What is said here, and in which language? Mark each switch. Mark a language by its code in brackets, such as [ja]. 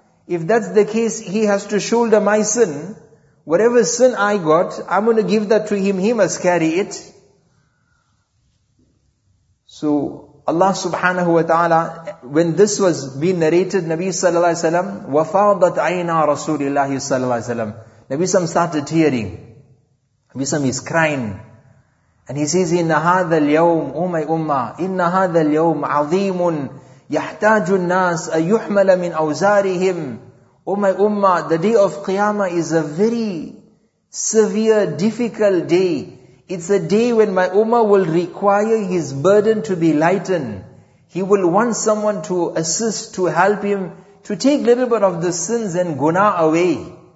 [en] If that's the case, he has to shoulder my sin. Whatever sin I got, I'm gonna give that to him. He must carry it. So Allah subhanahu wa ta'ala, when this was being narrated, Nabi sallallahu alayhi wa sallam, [ar] وَفَاضَتْ عَيْنَا رَسُولِ اللَّهِ صَلَّى اللَّهِ وَسَلَّمْ. [en] Nabi sallallahu alayhi wa sallam started tearing. Nabi sallallahu alayhi wa sallam is crying. And he says, [ar] إِنَّ هَذَا الْيَوْمُ, [en] O my ummah, [ar] إِنَّ هَذَا الْيَوْمُ عَظِيمٌ يَحْتَاجُ النَّاسِ أَيُحْمَلَ مِنْ أَوْزَارِهِمْ. [en] O my ummah, the day of Qiyamah is a very severe, difficult day. It's a day when my ummah will require his burden to be lightened. He will want someone to assist, to help him, to take a little bit of the sins and guna away.